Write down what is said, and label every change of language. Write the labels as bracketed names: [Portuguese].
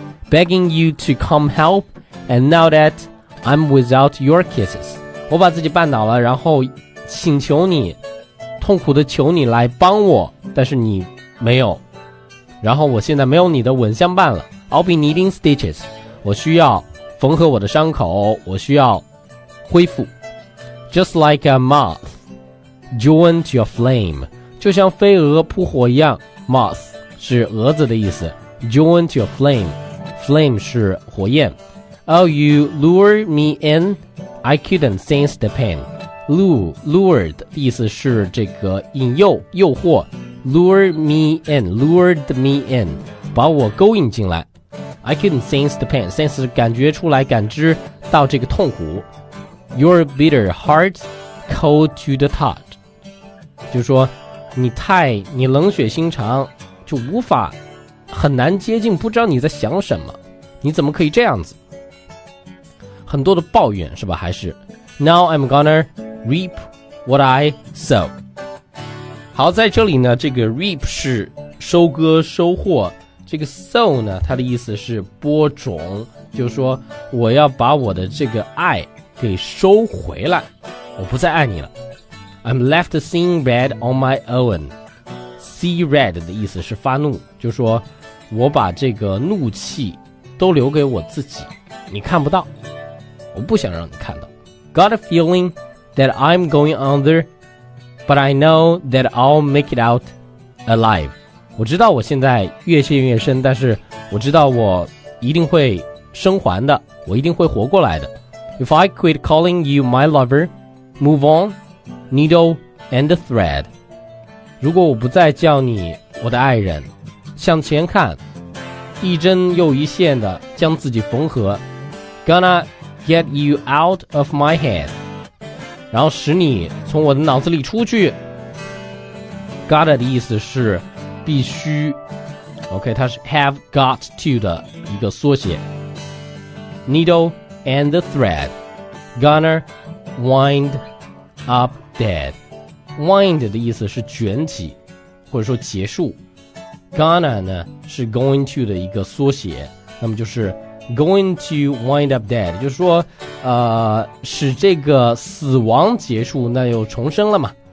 [English] Begging you to come help， and now that I'm without your kisses， [Chinese] 我把自己绊倒了，然后请求你，痛苦的求你来帮我，但是你没有，然后我现在没有你的吻相伴了。 [English] I'll be needing stitches， [Chinese] 我需要缝合我的伤口，我需要恢复。 [English] Just like a moth joined to a flame， [Chinese] 就像飞蛾扑火一样。 Moth 是蛾子的意思， [English] joined to a flame， [Chinese] flame 是火焰。 [English] Oh you lure me in， I couldn't sense the pain。 [Chinese] Lured 意思是这个引诱、诱惑。 [English] Lure me in， lured me in， [Chinese] 把我勾引进来。 [English] I couldn't sense the pain， [Chinese] sense 感觉出来，感知到这个痛苦。 [English] Your bitter heart cold to the touch， [Chinese] 就是说你冷血心肠，就无法，很难接近，不知道你在想什么，你怎么可以这样子，很多的抱怨是吧。还是 [English] Now I'm gonna reap what I sow， [Chinese] 好，在这里呢，这个 reap 是收割收获，这个 sow 呢，它的意思是播种，就是说我要把我的这个爱给收回来，我不再爱你了。 [English] I'm left seeing red on my own， see red [Chinese] 的意思是发怒，就是说我把这个怒气都留给我自己，你看不到，我不想让你看到。 [English] Got a feeling that I'm going under， But I know that I'll make it out alive. [Chinese] 我知道我现在越陷越深，但是我知道我一定会生还的，我一定会活过来的。 [English] If I quit calling you my lover, move on, needle and thread. [Chinese] 如果我不再叫你我的爱人，向前看，一针又一线的将自己缝合。 [English] Gonna get you out of my head. [Chinese] 然后使你从我的脑子里出去 [English] Got it [Chinese] 的意思是必须 OK 它是 [English] have got to [Chinese] 的一个缩写 [English] Needle and the thread Gonna wind up dead Wind [Chinese] 的意思是卷起或者说结束 [English] Gonna 呢是 going to 的一个缩写那么就是Going to wind up dead [Chinese] 就是说使这个死亡结束那又重生了嘛